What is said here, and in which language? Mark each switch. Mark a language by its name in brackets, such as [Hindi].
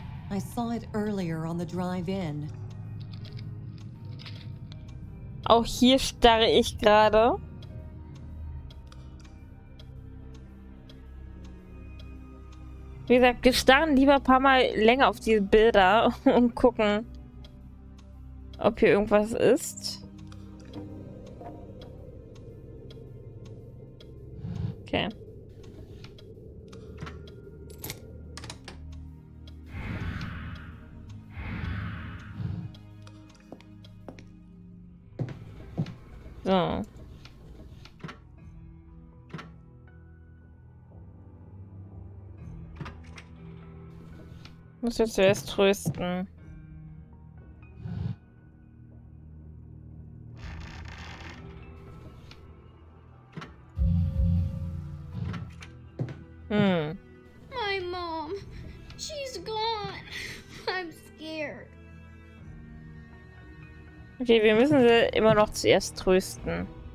[English] I saw it earlier on the drive-in. [German] Auch hier starre ich gerade. Wie gesagt, wir starren lieber ein paar Mal länger auf diese Bilder und gucken, ob hier irgendwas ist. Okay. So. Muss jetzt zuerst trösten. [English] My mom, she's gone. I'm scared. [German] Okay, wir müssen sie immer noch zuerst trösten.